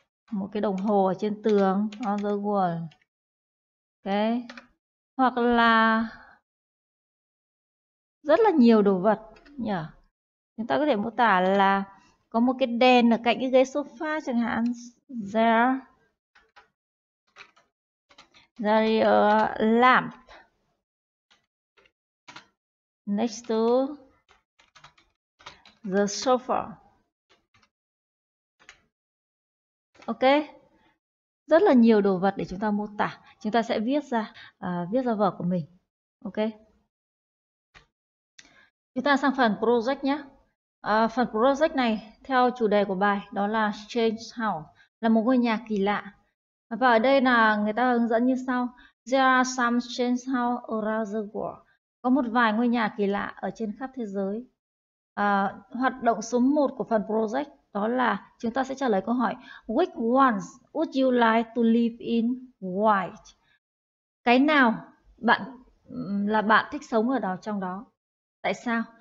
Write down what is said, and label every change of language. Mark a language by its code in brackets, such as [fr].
[vi] Một cái đồng hồ ở trên tường, [en] on the wall. [vi] Ok. Hoặc là rất là nhiều đồ vật nhỉ. Chúng ta có thể mô tả là có một cái đèn ở cạnh cái ghế sofa chẳng hạn. [en] There is a lamp next to the sofa. [vi] Ok, rất là nhiều đồ vật để chúng ta mô tả. Chúng ta sẽ viết ra vở của mình. Ok, chúng ta sang phần project nhé. Phần project này theo chủ đề của bài đó là Strange House, là một ngôi nhà kỳ lạ. Và ở đây là người ta hướng dẫn như sau. [en] There are some strange house around the world. [vi] Có một vài ngôi nhà kỳ lạ ở trên khắp thế giới. Hoạt động số 1 của phần project đó là chúng ta sẽ trả lời câu hỏi [en] which ones would you like to live in, why? [vi] Cái nào bạn thích sống ở đó, trong đó? Tại sao?